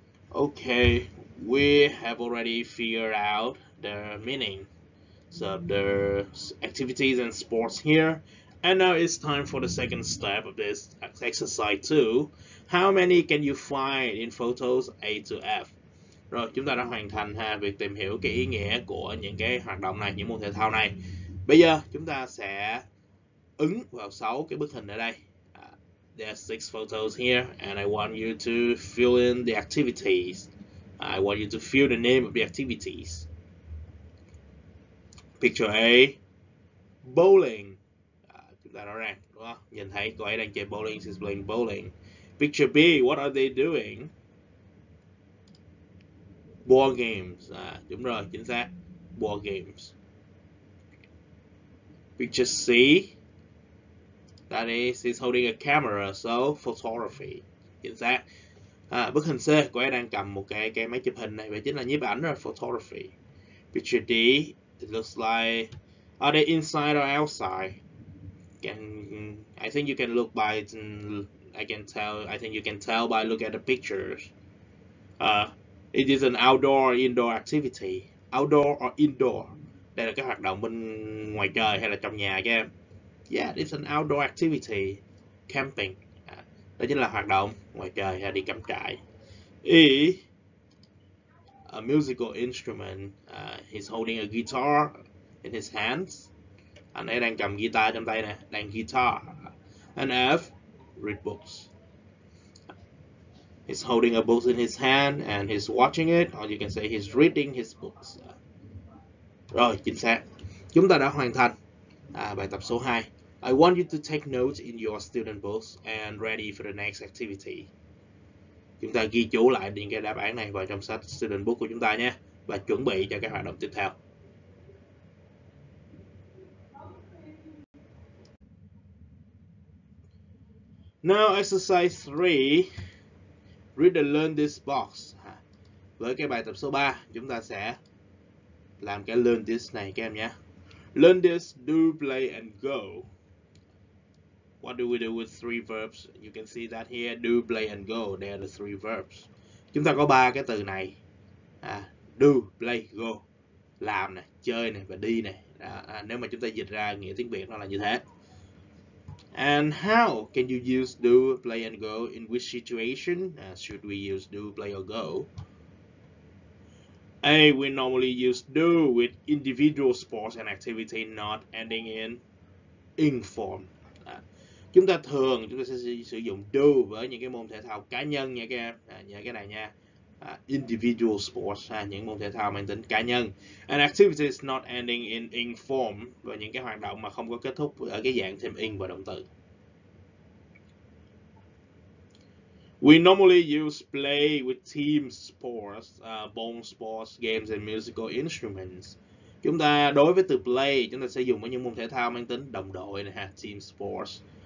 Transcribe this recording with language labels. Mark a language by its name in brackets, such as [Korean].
[English] Okay, we have already figured out the meaning of the activities and sports here. And now it's time for the second step of this exercise 2. How many can you find in photos A to F? [Vietnamese] Rồi, chúng ta đã hoàn thành ha việc tìm hiểu cái ý nghĩa của những cái hoạt động này, những môn thể thao này. Bây giờ chúng ta sẽ ứng vào 6 cái bức hình ở đây. [English] There are 6 photos here, and I want you to fill in the activities. I want you to fill the name of the activities. Picture A, bowling. [Vietnamese] Chúng ta rõ ràng, đúng không? Nhìn thấy cô ấy đang chơi bowling, [English] she's playing bowling. Picture B, what are they doing? Board games. [Vietnamese] Đúng rồi, chính xác. [English] Board games. Picture C, that is, she's holding a camera, so photography. [Vietnamese] Chính xác. Bức hình C, cô ấy đang cầm một cái máy chụp hình này, và chính là nhiếp ảnh rồi, photography. [English] Picture D, it looks like, are they inside or outside? I think you can tell by look at the pictures. It is an outdoor or indoor activity. Outdoor or indoor. [Vietnamese] Đây là cái hoạt động bên ngoài trời hay là trong nhà các em. [English] Yeah, it's an outdoor activity. [Vietnamese] Camping. Đó chính là hoạt động ngoài trời hay đi cắm trại. [English] E, a musical instrument. He's holding a guitar in his hands. [Vietnamese] Anh ấy đang cầm guitar trong tay nè. Đang guitar. [English] And F, read books. He's holding a book in his hand and he's watching it. Or you can say he's reading his books. [Vietnamese] Rồi, chính xác. Chúng ta đã hoàn thành bài tập số 2. [English] I want you to take notes in your student books and ready for the next activity. [Vietnamese] Chúng ta ghi chú lại những cái đáp án này vào trong sách student book của chúng ta nhé. Và chuẩn bị cho các hoạt động tiếp theo. [English] Now exercise 3. Read and learn this box. [Vietnamese] Với cái bài tập số 3, chúng ta sẽ làm cái learn this này các em nhé. [English] Learn this, do, play and go. What do we do with three verbs? You can see that here, do, play and go. They are the three verbs. [Vietnamese] Chúng ta có ba cái từ này. [English] Do, play, go. [Vietnamese] Làm này, chơi này và đi này. Nếu mà chúng ta dịch ra nghĩa tiếng Việt nó là như thế. [English] And how can you use do, play and go? In which situation should we use do, play or go? A, we normally use do with individual sports and activity not ending in ing form. [Vietnamese] Chúng ta sẽ sử dụng do với những cái môn thể thao cá nhân nha các em. Nhớ cái này nha. individual sports, những môn thể thao mang tính cá nhân. [English] And activities not ending in ing form, [Vietnamese] và những cái hoạt động mà không có kết thúc ở cái dạng thêm ing và động từ. [English] We normally use play with team sports, bone sports, games and musical instruments. [Vietnamese] Chúng ta đối với từ play, chúng ta sẽ dùng với những môn thể thao mang tính đồng đội này ha, team sports.